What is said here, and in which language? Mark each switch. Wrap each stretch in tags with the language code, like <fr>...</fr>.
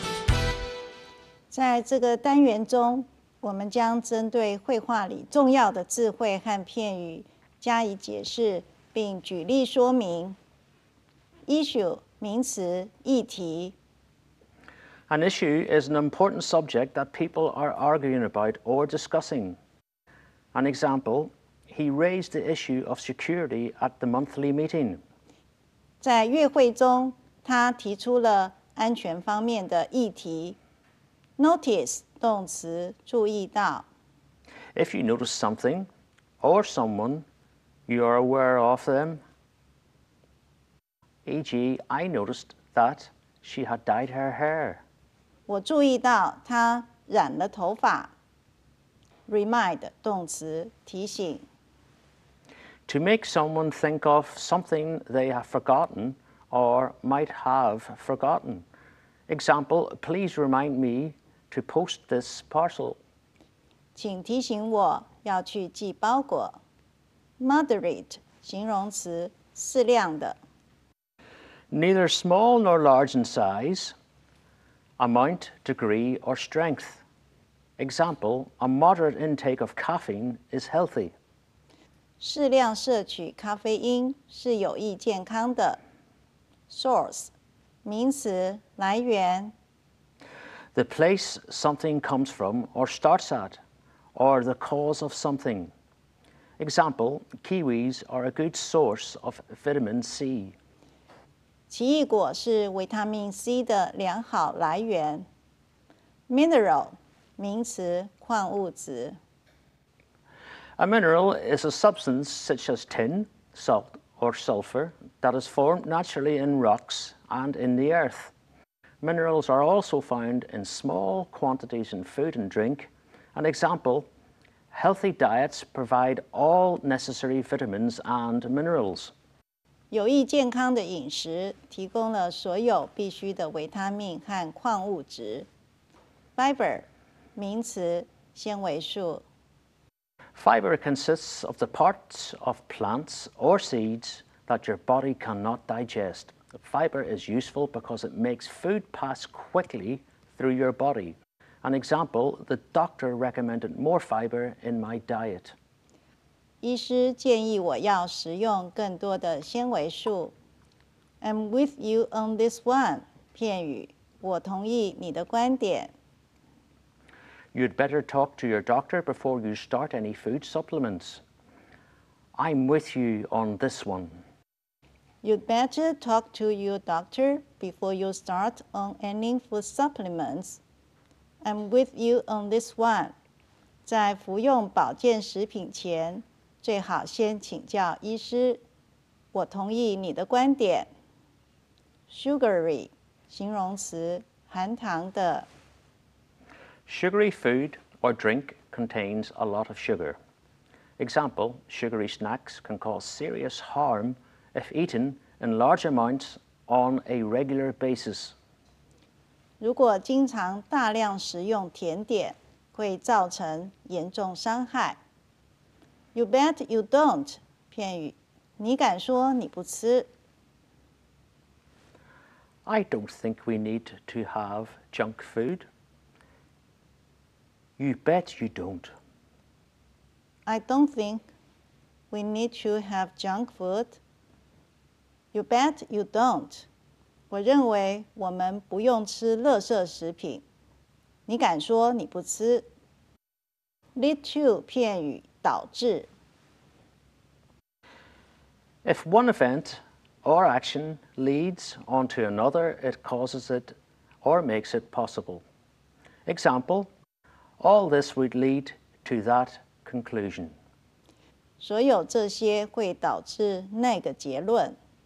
<en>In this</en> <zh>单元中，我们将针对绘画里重要的智慧和片语加以解释，并举例说明。Issue 名词，议题。</zh> <en>An issue is an important subject that people are arguing about or discussing. An example, he raised the issue of security at the monthly meeting.</en> <zh>在月会中，他提出了安全方面的议题。 Notice 动词，注意到。</zh> <en>If you notice something or someone, you are aware of them. E.g., I noticed that she had dyed her hair.</en> <zh>我注意到她染了头发。Remind 动词，提醒。</zh> <en>To make someone think of something they have forgotten or might have forgotten. Example, please remind me to post this parcel.</en> <zh>请提醒我要去寄包裹。Moderate, 形容词，适量的。</zh> <en>Neither small nor large in size, amount, degree, or strength. Example, a moderate intake of caffeine is healthy.</en> <zh>适量摄取咖啡因是有益健康的。 Source, 名词，来源。</zh> <en>The place something comes from or starts at, or the cause of something. Example, kiwis are a good source of vitamin C.</en> <zh>奇异果是维他命 C 的良好来源。 Mineral, 名词，矿物质。</zh> <en>A mineral is a substance such as tin, salt, or sulfur that is formed naturally in rocks and in the earth. Minerals are also found in small quantities in food and drink. An example, healthy diets provide all necessary vitamins and minerals.</en> <zh>有益健康的饮食提供了所有必需的维他命和矿物质。 Fiber, 名词，纤维素。</zh> <en>Fiber consists of the parts of plants or seeds that your body cannot digest. Fiber is useful because it makes food pass quickly through your body. An example, the doctor recommended more fiber in my diet.</en> <zh>医师建议我要食用更多的纤维素。</zh> <en>I'm with you on this one,</en> <zh>片语，我同意你的观点。</zh> <en>You'd better talk to your doctor before you start any food supplements. I'm with you on this one. You'd better talk to your doctor before you start on any food supplements. I'm with you on this one.</en> <zh>在服用保健食品前，最好先请教医师。我同意你的观点。Sugary, 形容词，含糖的。</zh> <en>Sugary food or drink contains a lot of sugar. Example, sugary snacks can cause serious harm if eaten in large amounts on a regular basis.</en> <zh>如果经常大量食用甜点，会造成严重伤害。</zh> <en>You bet you don't,</en> <zh>片语，你敢说你不吃。</zh> <en>I don't think we need to have junk food. You bet you don't. I don't think we need to have junk food. You bet you don't.</en> <zh>我认为我们不用吃垃圾食品。你敢说你不吃。Lead to 片语导致。</zh> <en>If one event or action leads onto another, it causes it or makes it possible. Example,All this would lead to that conclusion.</en> <zh>所有这些会导致那个结论。</zh>